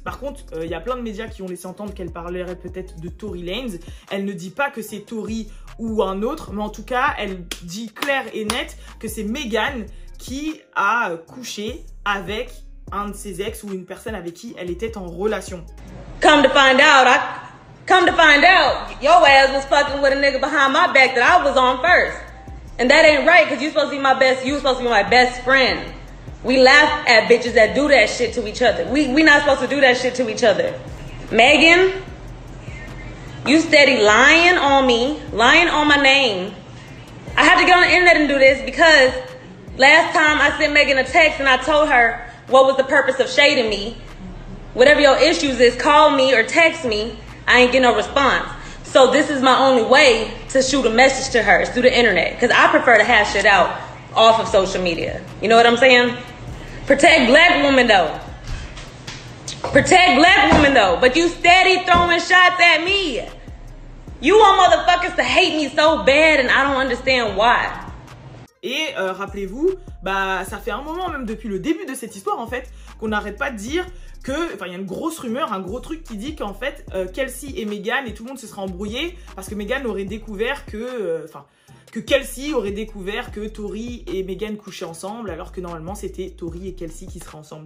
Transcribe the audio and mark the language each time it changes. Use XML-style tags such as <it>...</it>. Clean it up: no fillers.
<fr>Par contre, il y a plein de médias qui ont laissé entendre qu'elle parlerait peut-être de Tory Lanez. Elle ne dit pas que c'est Tory ou un autre, mais en tout cas, elle dit clair et net que c'est Megan qui a couché avec un de ses ex ou une personne avec qui elle était en relation.</fr> <en>Come to find out, your ass was fucking with a nigga behind my back that I was on first. And that ain't right, cause you're supposed to be my best, you're supposed to be my best friend. We laugh at bitches that do that shit to each other. We not supposed to do that shit to each other. Megan, you steady lying on me, lying on my name. I have to get on the internet and do this because last time I sent Megan a text and I told her what was the purpose of shading me. Whatever your issues is, call me or text me. I ain't getting no response. So this is my only way to shoot a message to her, is through the internet. Because I prefer to hash it out off of social media. You know what I'm saying? Protect black women though. Protect black women though, but you steady throwing shots at me. You want motherfuckers to hate me so bad and I don't understand why.</en> <fr>Et rappelez-vous, bah ça fait un moment même depuis le début de cette histoire en fait qu'on n'arrête pas de dire que, enfin il y a une grosse rumeur, un gros truc qui dit qu'en fait Kelsey et Meghan et tout le monde se sera embrouillé parce que Meghan aurait découvert que, enfin que Kelsey aurait découvert que Tory et Meghan couchaient ensemble alors que normalement c'était Tory et Kelsey qui seraient ensemble.</fr>